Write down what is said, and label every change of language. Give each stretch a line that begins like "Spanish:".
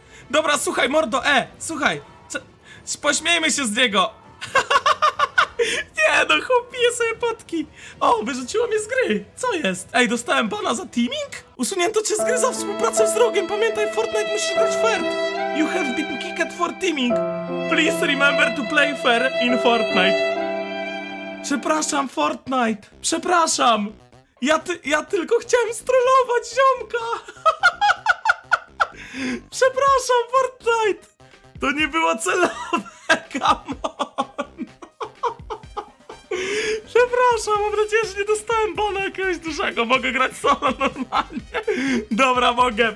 Polish: Dobra, słuchaj, mordo, słuchaj. Pośmiejmy się z niego. Nie, no chłop pije sobie potki. O, wyrzuciło mnie z gry. Co jest? Ej, dostałem bana za teaming? Usunięto cię z gry za współpracę z rogiem. Pamiętaj, Fortnite musisz grać fair.
English: You have been kicked for teaming. Please remember to play fair in Fortnite.
Polish: Przepraszam, Fortnite. Przepraszam. Ja tylko chciałem strollować ziomka. Przepraszam, Fortnite. To nie było celowe,
English: come on.
Polish: Przepraszam, mam nadzieję, że nie dostałem bana jakiegoś dużego. Mogę grać solo normalnie. Dobra, mogę.